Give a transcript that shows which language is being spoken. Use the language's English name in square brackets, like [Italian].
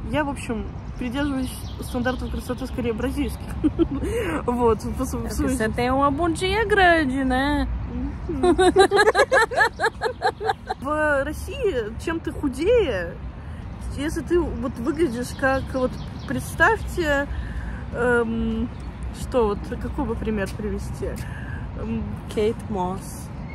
[Russian] Я, в общем, придерживаюсь стандартов красоты скорее бразильских. Вот. [Portuguese] Você tem uma bundinha grande, né? [Russian] В России, чем ты худее, если ты вот выглядишь как вот представьте, что вот какой бы пример привести? Кейт Мосс.